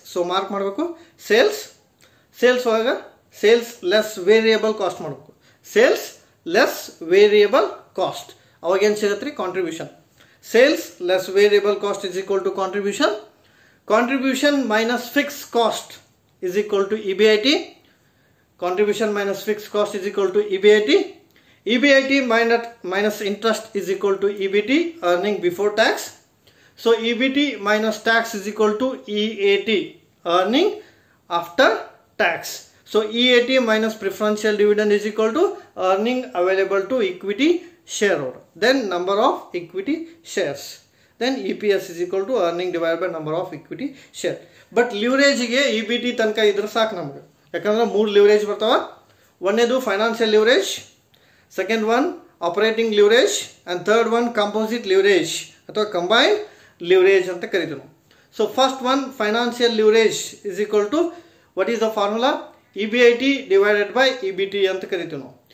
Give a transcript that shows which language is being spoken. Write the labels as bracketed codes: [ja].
[kn] So mark ಮಾಡಬೇಕು sales, sales ಒಳಗೆ sales less variable cost ಮಾಡಬೇಕು. ಸೇಲ್ಸ್ ಲೆಸ್ ವೇರಿಯಬಲ್ ಕಾಸ್ಟ್ ಅವಾಗೇನು ಸಿಗುತ್ತೆ ರೀ, contribution. [en] Sales less variable cost is equal to contribution, contribution minus fix cost is equal to E B I T. Contribution minus fixed cost is equal to EBIT. EBIT minus interest is equal to EBT, earning before tax. So EBT minus tax is equal to EAT, earning after tax. So EAT minus preferential dividend is equal to earning available to equity shareholder. Then number of equity shares. Then EPS is equal to earning divided by number of equity share. [kn] But leverage EBT tanka idra saak namaga. ಯಾಕಂದ್ರೆ ಮೂರು leverage ಬರ್ತಾವ. [en] ಒಂದನೇದು financial leverage, second one operating leverage, and third one composite leverage ಅಥವಾ combined leverage [kn] ಅಂತ ಕರಿತೀವಿ. [en] so first one financial leverage is equal to what is the formula, E B I T divided by E B T [kn] ಅಂತ ಕರಿತೀವಿ.